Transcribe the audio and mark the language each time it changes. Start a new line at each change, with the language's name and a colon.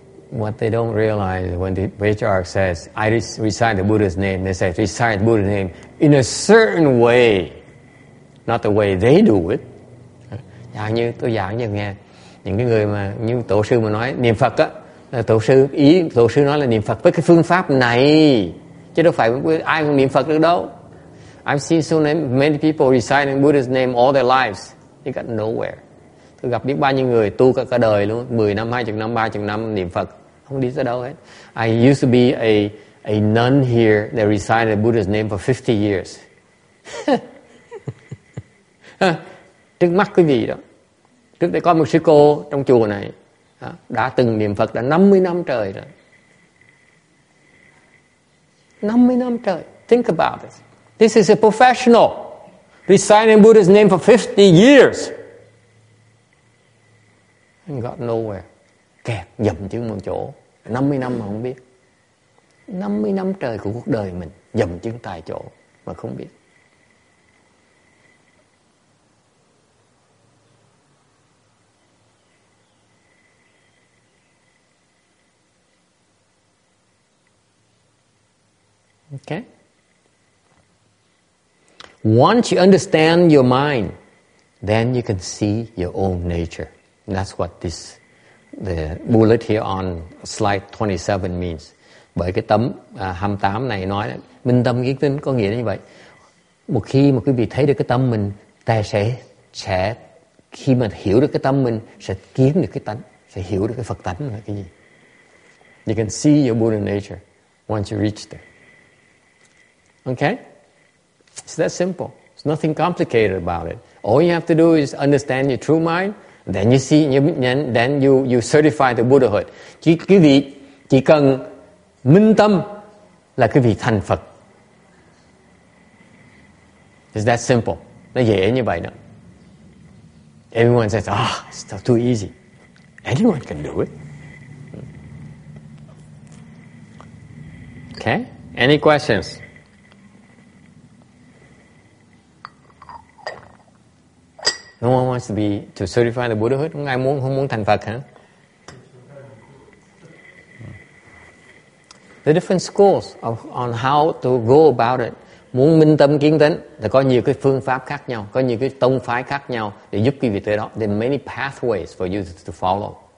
English: What they don't realize when the patriarch says, I recite the Buddha's name, they say, recite the Buddha's name in a certain way, not the way they do it.
Vietnamese: Giảng như, tôi giảng như nghe, những cái người mà, như tổ sư mà nói, niệm Phật á, là tổ sư, ý tổ sư nói là niệm Phật với cái phương pháp này, chứ đâu phải ai cũng niệm Phật được đâu.
English: I've seen so many people reciting Buddha's name all their lives, they got nowhere.
Vietnamese: Tôi gặp biết bao nhiêu người tu cả đời luôn, 10 năm, 20 năm, 30 năm niệm Phật, không đi tới đâu hết.
English: I used to be a nun here that recited the Buddha's name for 50 years.
Vietnamese: Trước mắt quý vị đó, trước đây có một sư cô trong chùa này, đã từng niệm Phật đã 50 năm trời rồi. 50 năm trời,
English: think about this. This is a professional. reciting Buddha's name for 50 years and got nowhere.
Vietnamese: Kẹt dầm chữ một chỗ, 50 năm mà không biết. 50 năm trời của cuộc đời mình dầm chữ tại chỗ mà không biết.
English: Okay. Once you understand your mind, then you can see your own nature. And that's what this, the bullet here on slide 27 means.
Vietnamese: Bởi cái tấm 28 này nói minh tâm kiến tính có nghĩa là như vậy. Một khi mà quý vị thấy được cái tâm mình, ta sẽ khi mà hiểu được cái tâm mình sẽ kiến được cái tánh, sẽ hiểu được cái Phật tánh là cái gì.
English: You can see your Buddha nature once you reach there. Okay? It's that simple. It's nothing complicated about it. All you have to do is understand your true mind, then you see, then you certify the Buddhahood.
Vietnamese: Quý vị chỉ cần minh tâm là quý vị thành Phật.
English: It's that simple.
Vietnamese: Nó dễ như vậy đó.
English: Everyone says, ah, it's still too easy. Anyone can do it. Okay? Any questions? No one wants to certify the Buddhahood.
Vietnamese: Không ai muốn, không muốn thành Phật hả?
English: The different schools of, on how to go about it.
Vietnamese: Muốn minh tâm kiến tánh thì có nhiều cái phương pháp khác nhau, có nhiều cái tông phái khác nhau để giúp quý vị tới đó.
English: There are many pathways for you to follow.